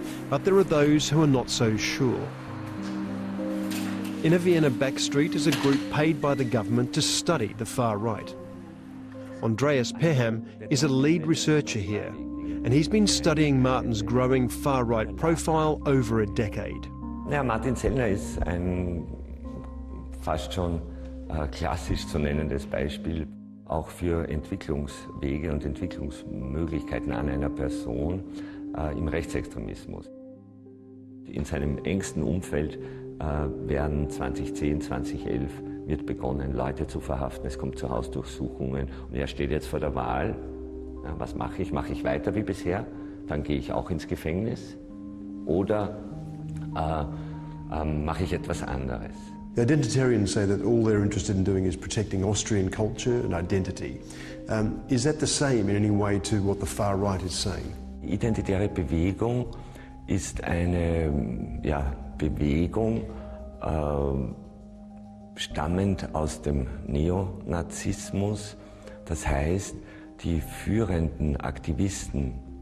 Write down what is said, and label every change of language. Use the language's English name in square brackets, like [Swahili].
[English] But there are those who are not so sure. In a Vienna backstreet is a group paid by the government to study the far right. Andreas Perham is a lead researcher here, and he's been studying Martin's growing far-right profile over a decade. [German] Ja, Martin Sellner ist ein fast schon klassisch zu nennendes Beispiel auch für Entwicklungswege und Entwicklungsmöglichkeiten an einer Person im Rechtsextremismus. In seinem engsten Umfeld werden 2010, 2011 wird begonnen, Leute zu verhaften, es kommt zu Hausdurchsuchungen und er steht jetzt vor der Wahl, ja, was mache ich? Mache ich weiter wie bisher? Dann gehe ich auch ins Gefängnis oder mache ich etwas anderes? [English] The Identitarians say that all they're interested in doing is protecting Austrian culture and identity. Is that the same in any way to what the far right is saying? [German] Die Identitäre Bewegung ist eine Bewegung, stammend aus dem Neonazismus, das heißt, die führenden Aktivisten,